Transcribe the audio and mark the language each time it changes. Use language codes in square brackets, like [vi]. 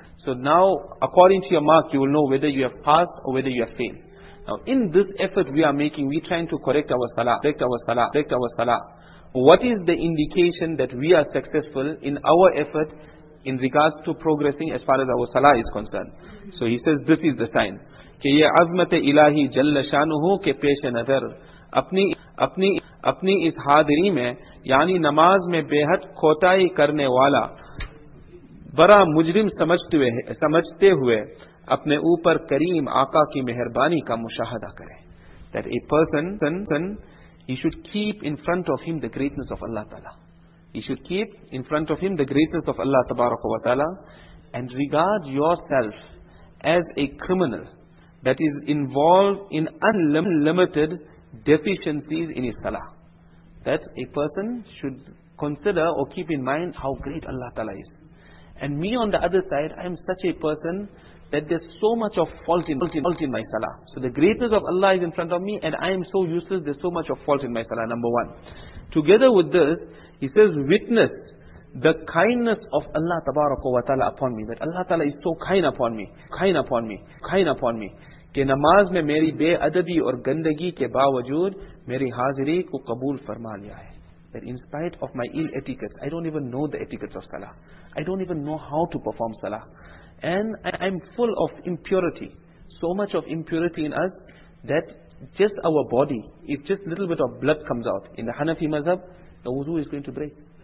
[en] So now, according to your mark, you will know whether you have passed or whether you have failed. Now in this effort we are making, we are trying to correct our salah. What is the indication that we are successful in our effort in regards to progressing as far as our salah is concerned? So he says this is the sign. [ur] کہ یہ عظمت الہی جل شانہ کے پیش نظر اپنی اس حاضری میں یعنی نماز میں بے حد کھوتائی کرنے والا برا مجرم سمجھتے ہوئے اپنے اوپر کریم آقا کی مہربانی کا مشاہدہ کرے. [en] That a person, he should keep in front of him the greatness of Allah Ta'ala. He should keep in front of him the greatness of Allah Tabarak wa Ta'ala and regard yourself as a criminal that is involved in unlimited deficiencies in his salah. That a person should consider or keep in mind how great Allah Ta'ala is. And me on the other side, I am such a person that there's so much of fault in my salah. So the greatness of Allah is in front of me and I am so useless, there's so much of fault in my salah, number one. Together with this, he says, witness the kindness of Allah Tabaraka wa Ta'ala upon me. That Allah Ta'ala is so kind upon me. [ur] کہ نماز میں میری بے ادبی اور گندگی کے باوجود میری حاضری کو قبول فرما لیا ہے. [en] That in spite of my ill etiquette, I don't even know the etiquette of salah. I don't even know how to perform salah. And I'm full of impurity. So much of impurity in us that just our body, if just a little bit of blood comes out, in the Hanafi mazhab, the wudu is going to break.